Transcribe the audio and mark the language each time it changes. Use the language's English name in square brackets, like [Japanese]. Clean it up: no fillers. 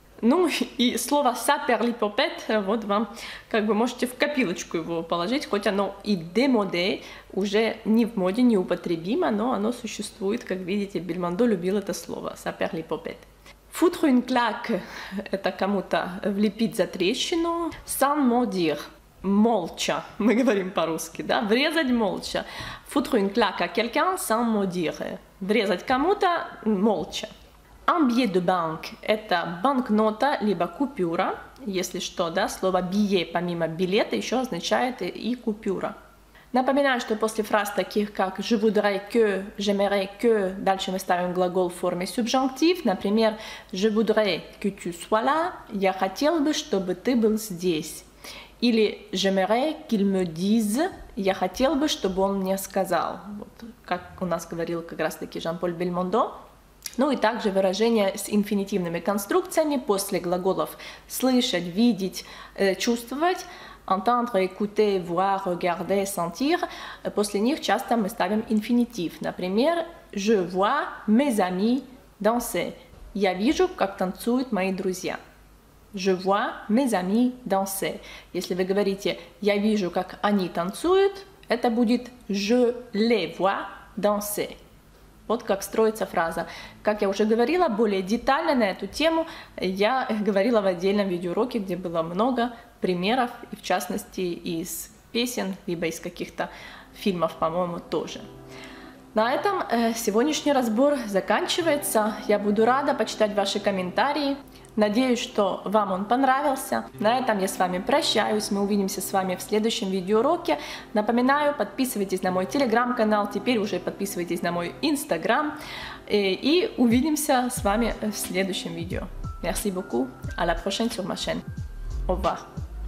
[Russian] Ну и слово «saperlipopette» – вот вам как бы можете в копилочку его положить, хоть оно и «demodé» уже не в моде, не употребимо, но оно существует, как видите, Бельмондо любил это слово «saperlipopette». [French] «Foutre une claque» [Russian] – это кому-то влепить за трещину. [French] «Sans mot dire» [Russian] – молча, мы говорим по-русски, да, врезать молча. [French] «Foutre une claque» – quelqu'un «sans mot dire» [Russian] – врезать кому-то молча. [French] Un billet de banque [Russian] – это банкнота либо купюра, если что, да, слово billet помимо билета еще означает и купюра. Напоминаю, что после фраз таких как [French] «je voudrais que», «j'aimerais que», [Russian] дальше мы ставим глагол в форме субжонктив. Например, [French] «je voudrais que tu sois là», [Russian] «я хотел бы, чтобы ты был здесь». Или [French] «j'aimerais qu'il me dise», [Russian] «я хотел бы, чтобы он мне сказал». Вот, как у нас говорил как раз таки Жан-Поль Бельмондо. Ну и также выражения с инфинитивными конструкциями после глаголов «слышать», «видеть», «чувствовать». [French] Entendre, écouter, voir, regarder, sentir. [Russian] После них часто мы ставим инфинитив. [French] Например, je vois mes amis danser. [Russian] Я вижу, как танцуют мои друзья. [French] Je vois mes amis danser. [Russian] Если вы говорите «я вижу, как они танцуют», это будет [French] je les vois danser. [Russian] Вот как строится фраза. Как я уже говорила, более детально на эту тему я говорила в отдельном видеоуроке, где было много примеров, и в частности из песен, либо из каких-то фильмов, по-моему, тоже. На этом сегодняшний разбор заканчивается. Я буду рада почитать ваши комментарии. Надеюсь, что вам он понравился. На этом я с вами прощаюсь. Мы увидимся с вами в следующем видеоуроке. Напоминаю, подписывайтесь на мой телеграм-канал. Теперь уже подписывайтесь на мой инстаграм. И увидимся с вами в следующем видео. [French] Merci beaucoup. À la prochaine sur ma chaîne. Au revoir.